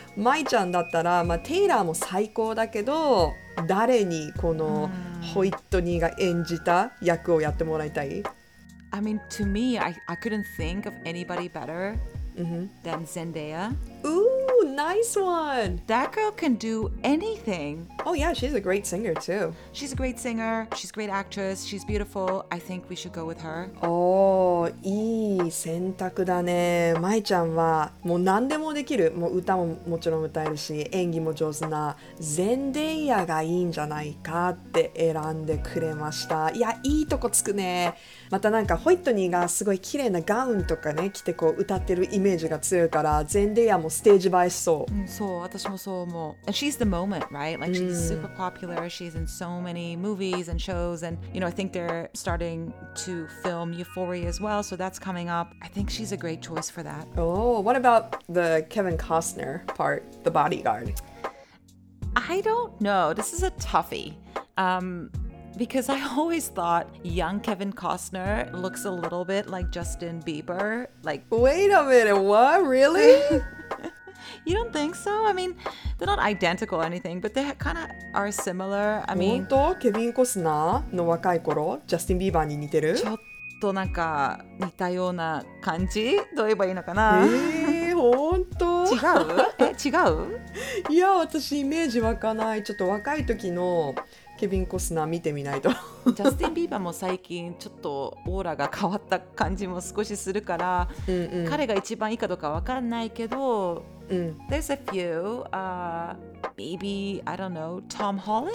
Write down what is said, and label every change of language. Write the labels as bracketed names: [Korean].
[Japanese] Mai ちゃんだったら、まあ、テイラーも最高だけど、誰にこのホイットニーが演じた役をやってもらいたい？ [English] I mean, to me, I couldn't think of anybody better than Zendaya. Ooh! Nice one. That girl can do anything. Oh yeah, she's a great singer too. She's a great singer. She's a great actress. She's beautiful. I think we should go with her. [Japanese] Oh, いい選択だね。まいちゃんはもう何でもできる。もう歌ももちろん歌えるし、演技も上手な。ゼンデイヤがいいんじゃないかって選んでくれました。いや、いいとこつくね。またなんかホイットニーがすごい綺麗なガウンとかね着てこう歌ってるイメージが強いから、ゼンデイヤもステージ映えしそう、うん、そう、私もそう思う。 [English] And she's the moment, right? Like she's super popular. She's in so many movies and shows. And you know, I think they're starting to film Euphoria as well, so that's coming up. I think she's a great choice for that. Oh, what about the Kevin Costner part, the bodyguard? I don't know. This is a toughie. Because I always thought young Kevin Costner looks a little bit like Justin Bieber. Like, wait a minute, what? Really? You don't think so? I mean, they're not identical or anything, but they kind of are similar. I mean, [Japanese] 本当？Kevin Costner の若い頃、Justin Bieber に似てる？ちょっとなんか似たような感じ？どう言えばいいのかな？本当？違う？え、違う？いや、私イメージ湧かない。ちょっと若い時のケビン・コスナー見てみないとジャスティン・ビーバーも最近ちょっとオーラが変わった感じも少しするから、うんうん、彼が一番いいかどうか分かんないけど、うん、 [English] There's a few maybe, I don't know, Tom Holland?